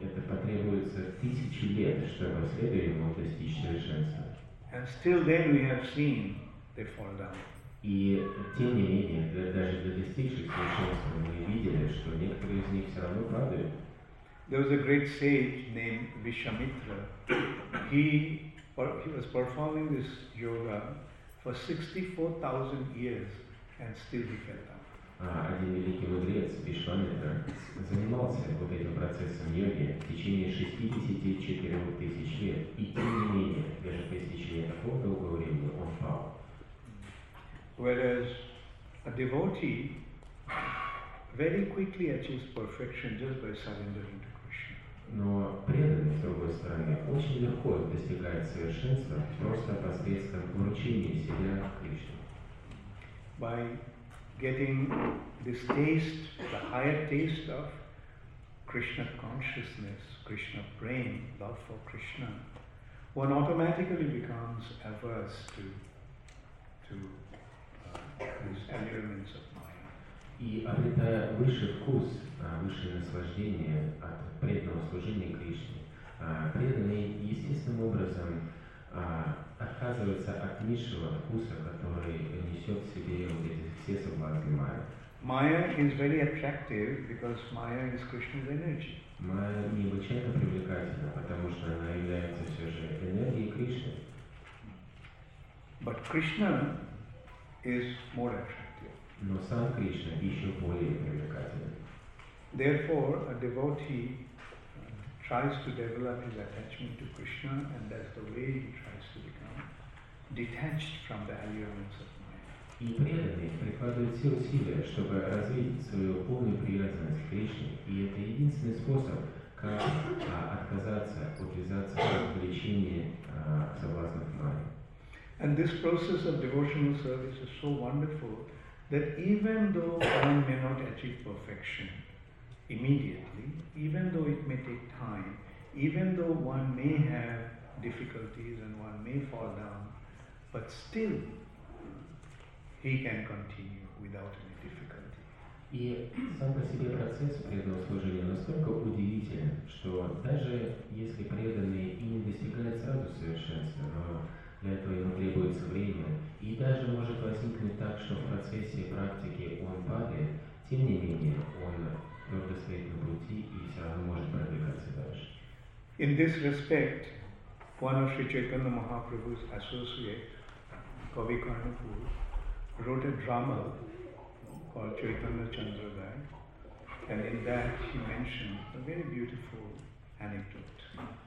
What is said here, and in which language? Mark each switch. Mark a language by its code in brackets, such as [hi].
[ru] Это потребуется тысячи лет, чтобы следуя ему достичь совершенства. [en] And still then we have seen they fall down. [ru] И тем не менее, даже для достигших совершенства, мы видели, что некоторые из них все равно падают. [en] There was a great sage named Vishwamitra. He was performing this yoga for 64,000 years and still he fell down. [ru] Один великий мудрец Вишванитра занимался вот этим процессом йоги в течение 64 тысяч лет, и тем не менее, даже по истечении такого долгого времени, он пал. [en] Whereas a devotee very quickly achieves perfection just by surrendering to Krishna. [ru] Но преданный, с другой стороны, очень легко достигает совершенства просто посредством вручения себя Кришне. [en] By getting this taste, the higher taste of Krishna consciousness, Krishna brain, love for Krishna, one automatically becomes averse to these allurements of mind. [ru] И обретая высший вкус, высшее наслаждение от преданного служения Кришне, преданный естественным образом отказывается от низшего вкуса, который несет в себе все соблазны майя. [en] Maya is very attractive because Maya is Krishna's energy. [ru] Майя необычайно привлекательна, потому что она является все же энергией Кришны. [en] But Krishna is more attractive. [ru] Но сам Кришна еще более привлекателен. [en] Therefore, a devotee tries to develop his attachment to Krishna, and that's the way he tries to become detached from the allurements of [ru] И преданный прикладывает все усилия, чтобы развить свою полную привязанность к Кришне, и это единственный способ, как отказаться, отвязаться от влечения соблазнов майи. [en] And this process of devotional service is so wonderful that even though one may not achieve perfection immediately, even though it may take time, even though one may have difficulties and one may fall down, but still He can continue without any difficulty. [ru] И сам по себе процесс преданного служения настолько удивителен, что даже если преданный и не достигает сразу совершенства, но для этого ему требуется время, и даже может возникнуть так, что в процессе практики он падает, тем не менее он твердо стоит на пути и все равно может продвигаться дальше. [en] In this respect, one of Sri Chaitanya Mahaprabhu's associate, Kavi Karnapur, wrote a drama called Chaitanya Chandragai, and in that he mentioned a very beautiful anecdote.